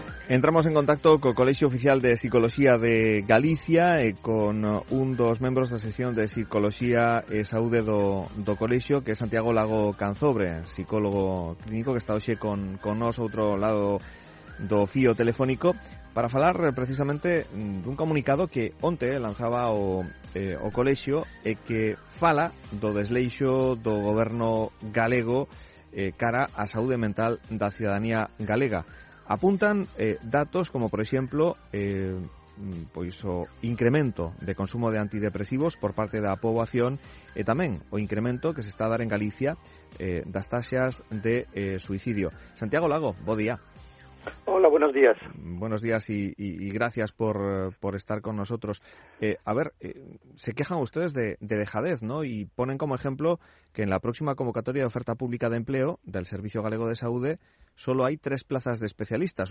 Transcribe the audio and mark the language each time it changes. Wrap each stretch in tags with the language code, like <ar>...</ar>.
<es>Entramos en contacto con el Colegio Oficial de Psicología de Galicia y con un dos miembros de la sección de Psicología y Saúde do Colegio, que es Santiago Lago Canzobre, psicólogo clínico que está hoy con nosotros otro lado do fío telefónico, para hablar precisamente de un comunicado que</es> <gl>onte lanzaba o colegio e que fala do desleixo do goberno galego cara a saúde mental da ciudadanía galega. Apuntan datos como, por exemplo, pois o incremento de consumo de antidepresivos por parte da poboación e tamén o incremento que se está a dar en Galicia das taxas de suicidio. Santiago Lago, bo día.</gl> <es>Hola, buenos días. Buenos días y gracias por estar con nosotros. Se quejan ustedes de dejadez, ¿no? Y ponen como ejemplo que en la próxima convocatoria de oferta pública de empleo del Servicio Galego de Saúde solo hay 3 plazas de especialistas.</es>